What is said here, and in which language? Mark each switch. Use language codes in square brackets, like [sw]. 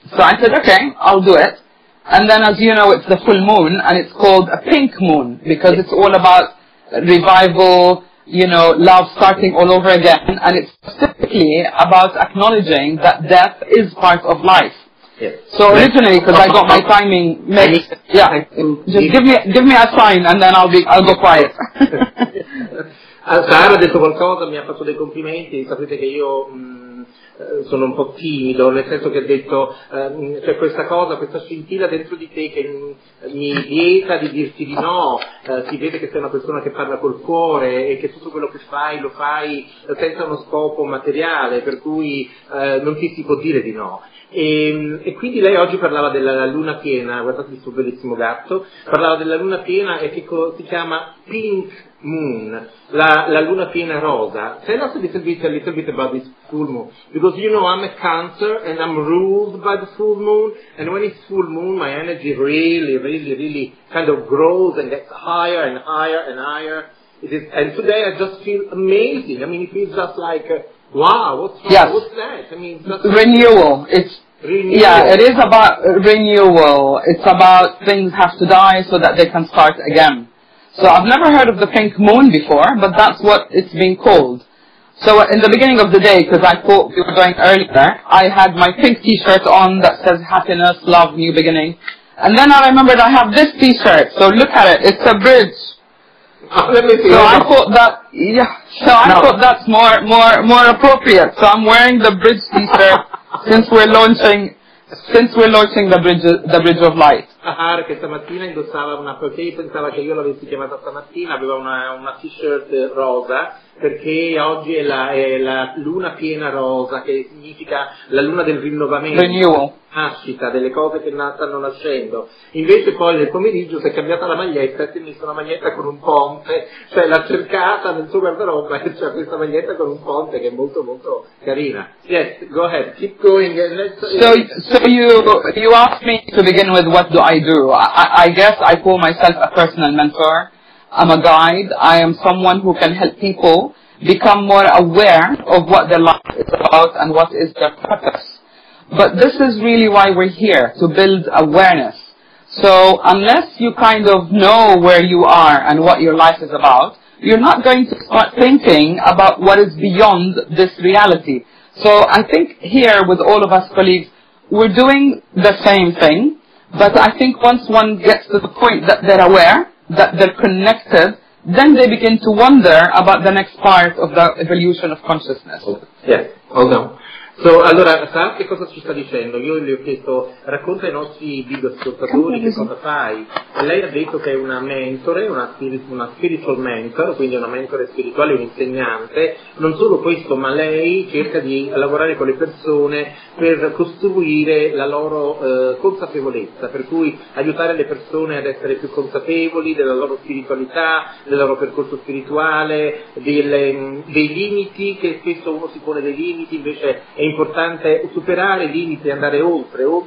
[en] So I said, okay, I'll do it. And then, as you know, it's the full moon, and it's called a pink moon, because it's all about revival, you know, love starting all over again, and it's specifically about acknowledging that death is part of life. Yes. So originally, because I got my timing mixed, yeah, just give me a sign and then I'll go quiet. [it] Sara ha detto qualcosa, mi ha fatto dei complimenti, sapete che io sono un po' timido, nel senso che ha detto c'è questa cosa, questa scintilla dentro di te che mi vieta di dirti di no, si vede che sei una persona che parla col cuore e che tutto quello che fai lo fai senza uno scopo materiale, per cui non ti si può dire di no. E quindi lei oggi parlava della luna piena, guardate il suo bellissimo gatto, parlava della luna piena e che si chiama Pink Moon, la luna piena rosa. [en] Tell us a little bit about this full moon, because you know I'm a Cancer and I'm ruled by the full moon, and when it's full moon my energy really, really, really kind of grows and gets higher and higher and higher. It is, and today I just feel amazing. I mean, it feels just like wow, what's that? I mean, renewal. It is about renewal. It's about things have to die so that they can start again. So I've never heard of the pink moon before, but that's what it's been called. So in the beginning of the day, because I thought we were going earlier, I had my pink t-shirt on that says happiness, love, new beginning. And then I remembered I have this t-shirt. So look at it. It's a bridge. I thought that's more appropriate. So I'm wearing the bridge t-shirt since we're launching the bridge of light. [it] Ahar, che stamattina indossava una, perché pensava che io l'avessi chiamata stamattina, aveva una t-shirt rosa, perché oggi è la luna piena rosa, che significa la luna del rinnovamento, [en] renewal, [it] nascita, delle cose che stanno nascendo. Invece poi nel pomeriggio si è cambiata la maglietta e si è messa una maglietta con un ponte, cioè l'ha cercata nel suo guardaroba e c'è questa maglietta con un ponte che è molto molto carina. [en] Yes, go ahead, keep going. So you asked me to begin with what do I do? I guess I call myself a personal mentor. I'm a guide. I am someone who can help people become more aware of what their life is about and what is their purpose. But this is really why we're here, to build awareness. So unless you kind of know where you are and what your life is about, you're not going to start thinking about what is beyond this reality. So I think here with all of us colleagues, we're doing the same thing. But I think once one gets to the point that they're aware, that they're connected, then they begin to wonder about the next part of the evolution of consciousness. Okay. Yes, hold on. [it] So, allora, sa che cosa ci sta dicendo? Io gli ho chiesto, racconta ai nostri video ascoltatori che cosa fai. Lei ha detto che è una mentore, una [en] spiritual mentor, [it] quindi una mentore spirituale, un insegnante. Non solo questo, ma lei cerca di lavorare con le persone per costruire la loro consapevolezza, per cui aiutare le persone ad essere più consapevoli della loro spiritualità, del loro percorso spirituale, dei limiti, che spesso uno si pone dei limiti, invece è importante superare i limiti e andare oltre.